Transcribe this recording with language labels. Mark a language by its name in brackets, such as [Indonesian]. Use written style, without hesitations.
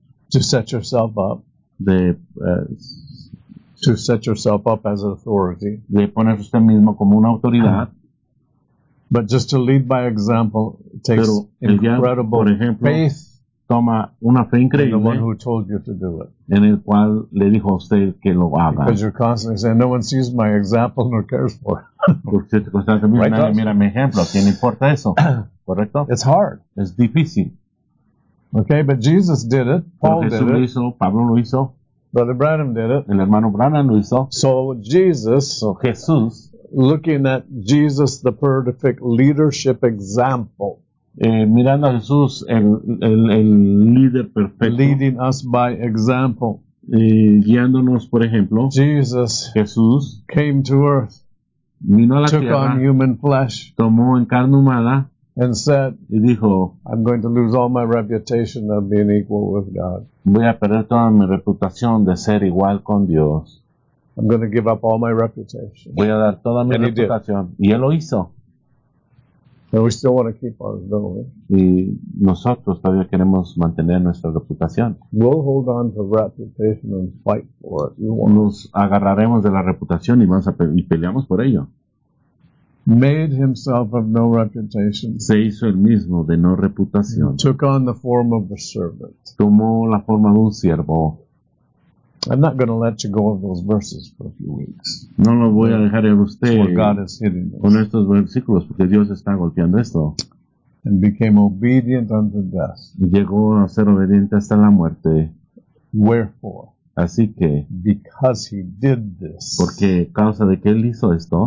[English] To set yourself up. [Spanish] De [English] to set yourself up as an authority. [Spanish] De ponerse usted mismo como una autoridad. [English] But just to lead by example takes [Spanish] pero [English] incredible [Spanish] ya, ejemplo, [English] faith. [Spanish] Toma una fe increíble [English] in the one who told you to do it. [Spanish] En el cual le dijo usted que lo haga. [English] Because you're constantly saying, no one sees my example nor cares for it. [Spanish] Porque constantemente [English] right [Spanish] nadie mira mi ejemplo. ¿Quién importa eso? ¿Correcto? [English] It's hard. [Spanish] Es difícil. [English] Okay, but Jesus did it. Paul [Spanish] Jesús [English] did [Spanish] lo hizo, [English] it. [Spanish] Pablo lo hizo. [English] Brother Branham did it. [Spanish] El hermano Branham lo hizo. [English] So Jesus, [Spanish] so Jesús, [English] looking at Jesus, the perfect leadership example. [Spanish] Mirando a Jesús, el líder perfecto. [English] Leading us by example. [Spanish] Guiándonos, por ejemplo. [English] Jesus, [Spanish] Jesús, [English] came to earth. [Spanish] Vino a la [English] took [Spanish] tierra, [English] on human flesh. [Spanish] Tomó en carne humana. [English] And said, [Spanish] y dijo, [English] I'm going to lose all my reputation of being equal with God. [Spanish] Voy a perder toda mi reputación de ser igual con Dios. [English] I'm going to give up all my reputation. [Spanish] Voy a dar toda mi [English] and [Spanish] reputación. [English] He did. [Spanish] Y él lo hizo. [English] And we still want to keep ours, don't we? [Spanish] Y nosotros todavía queremos mantener nuestra reputación. [English] We'll hold on to reputation and fight for it. You want. [Spanish] Nos agarraremos de la reputación y vamos a y peleamos por ello. [English] Made himself of no reputation. [Spanish] Se hizo el mismo de no reputación. [English] He took on the form of a servant. [Spanish] Tomó la forma de un siervo. [English] I'm not going to let you go of those verses for a few weeks. [Spanish] No lo voy a dejar en usted. [English] Where God is hitting [Spanish] con estos versículos porque Dios está golpeando esto. [English] And became obedient unto death. [Spanish] Y llegó a ser obediente hasta la muerte. [English] Wherefore? [Spanish] Así que, [English] because he did this, [Spanish] porque causa de que él hizo esto,